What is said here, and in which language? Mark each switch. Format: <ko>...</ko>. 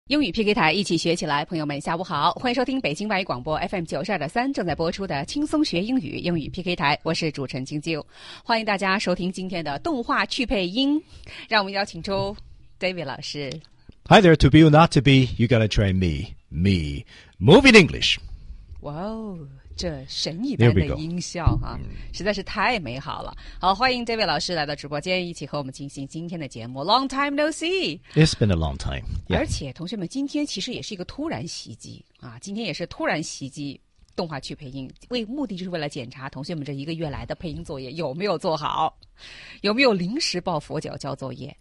<zh>英语 PK 台一起学起来，朋友们下午好，欢迎收听北京外语广播 FM92.3 正在播出的轻松学英语英语 PK 台，我是主持人晶晶，欢迎大家收听今天的动画去配音，让我们邀请出 David 老师。</zh> <en>Hi there, to be or not to be, you gotta try me, me, move in English.</en> <zh>Wow,这神一般的音效哈，实在是太美好了。好，欢迎这位老师来到直播间，一起和我们进行今天的节目。</zh> <en>Long time no see. It's been a long time.、Yeah.</en> <zh>而且同学们，今天其实也是一个突然袭击啊，今天也是突然袭击动画去配音，为目的就是为了检查同学们这一个月来的配音作业有没有做好，有没有临时抱佛脚交作业。</zh>